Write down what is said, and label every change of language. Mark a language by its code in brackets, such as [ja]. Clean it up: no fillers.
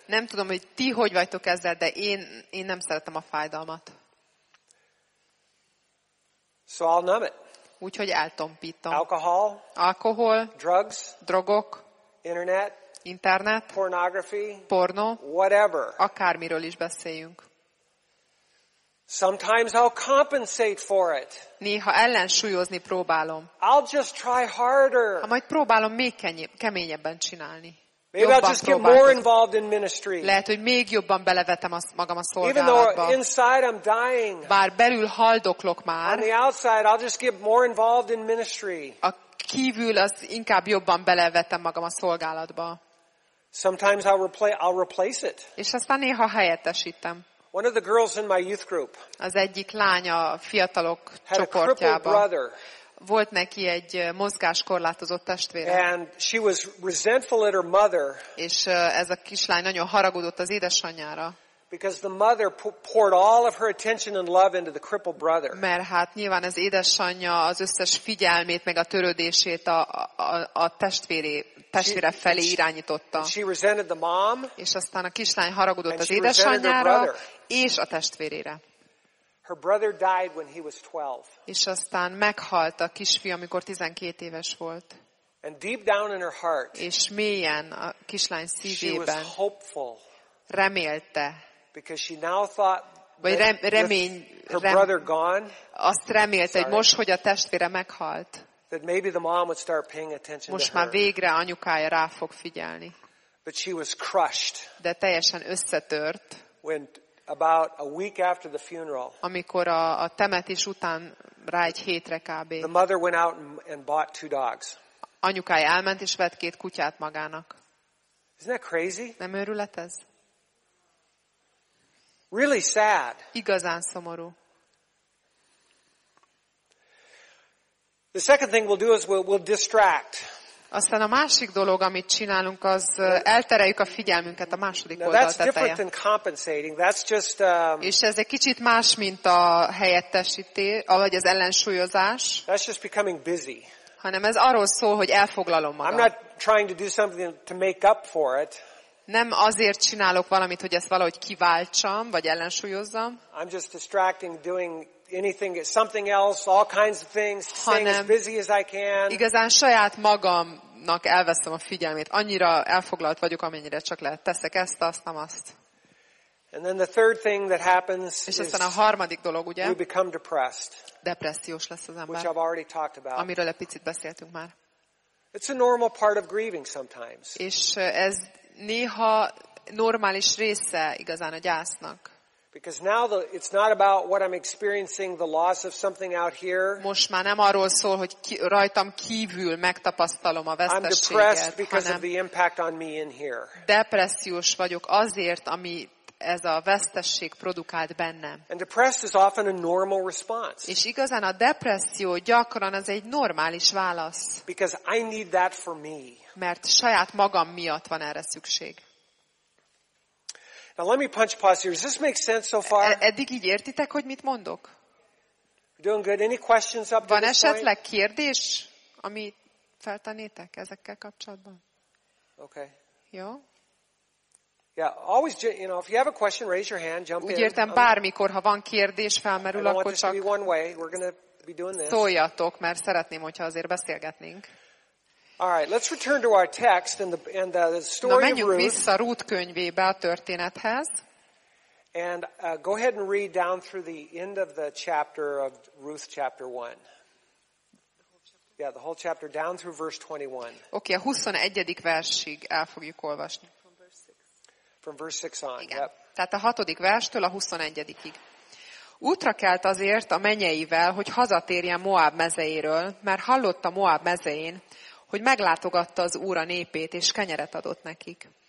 [hu] Nem tudom, hogy ti hogy vagytok ezzel, de én nem szeretem a fájdalmat. [en] So I'll numb it. [hu] Úgyhogy eltompítom. [en] Alcohol. [hu] Alkohol. [en] Drugs. [hu] Drogok. [en] Internet. [hu] Internet. [en] Pornography. [hu] Pornó. [en] Whatever. [hu] Akármiről is beszéljünk. [en] Sometimes I'll compensate for it. [hu] Néha ellensúlyozni próbálom. [en] I'll just try harder. [hu] Ha majd próbálom még keményebben csinálni. [en] Maybe I'll just get more involved in ministry. [hu] Lehet, hogy még jobban belevetem magam a szolgálatba. [en] Even though inside I'm dying. [hu] Bár belül haldoklok már. [en] On the outside I'll just get more involved in ministry. [hu] A kívül az inkább jobban belevetem magam a szolgálatba. [en] Sometimes I'll replace it. [hu] És aztán néha helyettesítem. [en] One of the girls in my youth group. [hu] Az egyik lány a fiatalok csoportjában. Volt neki egy mozgáskorlátozott testvére. [en] And she was resentful at her mother. [hu] És ez a kislány nagyon haragudott az édesanyjára. [en] Because the mother poured all of her attention and love into the crippled brother. [hu] Mert hát nyilván az édesanyja az összes figyelmét meg a törődését a testvére felé irányította. [en] She resented the mom. [hu] És aztán a kislány haragudott az édesanyjára és a testvérére. [en] Her brother died when he was 12. [hu] És aztán meghalt a kisfia, amikor 12 éves volt. [en] And deep down in her heart. [hu] És mélyen a kislány szívében. [en] She was hopeful. [hu] Remélte. [en] Because she now thought that her brother gone. [hu] Azt remélte, hogy most, hogy a testvére meghalt. [en] That maybe the mom would start paying attention. [hu] Most már végre anyukája rá fog figyelni. [en] But she was crushed. [hu] De teljesen összetört. [en] When about a week after the funeral. [hu] Amikor a temetés után rá egy hétre kb. [en] The mother went out and bought two dogs. [hu] Anyukája elment és vett két kutyát magának. [en] Isn't that crazy? [hu] Nem őrület ez? [en] Really sad. [hu] Igazán szomorú. [en] The second thing we'll do is we'll distract. [hu] Aztán a másik dolog, amit csinálunk, az eltereljük a figyelmünket a második oldal tetején. [en] That's different than compensating. That's just. [hu] És ez egy kicsit más, mint a helyettesítés, vagy az ellensúlyozás. [en] That's just becoming busy. [hu] Hanem ez arról szól, hogy elfoglalom magam. [en] I'm not trying to do something to make up for it. [hu] Nem azért csinálok valamit, hogy ezt valahogy kiváltsam, vagy ellensúlyozzam. [en] I'm just distracting, doing anything, something else, all kinds of things, staying as busy as I can. [hu] Igazán saját magamnak elveszem a figyelmét. Annyira elfoglalt vagyok, amennyire csak lehet. Teszek ezt, azt, nem azt. [en] And then the third thing that happens is. [hu] És aztán a harmadik dolog, ugye? [en] You become depressed. [hu] Depressziós lesz az ember. [en] Which I've already talked about. [hu] Amiről egy picit beszéltünk már. [en] It's a normal part of grieving sometimes. [hu] És ez néha normális része igazán a gyásznak. [en] Because now it's not about what I'm experiencing, the loss of something out here. [hu] Most már nem arról szól, hogy rajtam kívül megtapasztalom a veszteséget. [en] I'm depressed because of the impact on me in here. [hu] Depressziós vagyok azért, ami ez a vesztesség produkált bennem. [en] And depressed is often a normal response. [hu] És igazán a depresszió gyakran az egy normális válasz. [en] Because I need that for me. [hu] Mert saját magam miatt van erre szükség. [en] Now let me punch pause here. Does this make sense so far? [hu] Eddig így értitek, hogy mit mondok? [en] Doing good. Any questions up to [hu] Van esetleg point? Kérdés, ami feltennétek ezekkel kapcsolatban? [en] Okay. [hu] Jó? [en] Yeah, always, you know, if you have a question, raise your hand, jump [hu] Úgy értem, [en] in. [hu] Bármikor, ha van kérdés, felmerül, akkor csak [en] one way. We're gonna be doing this. [hu] Szóljatok, mert szeretném, hogyha azért beszélgetnénk. [en] All right, let's return to our text and the story. [hu] Na, menjünk vissza Rút könyvébe, a történethez. [en] And go ahead and read down through the end of the chapter of Ruth chapter 1. Yeah, the whole chapter down through verse 21. [hu] Okay, a 21. versig el fogjuk olvasni. [en] From verse 6 on. [hu] Yep. Tehát a 6. verstől a 21-ig. Útra kelt azért a menyeivel, hogy hazatérjen Moab mezeiről, mert hallott a Moab mezein, hogy meglátogatta az Úr a népét, és kenyeret adott nekik.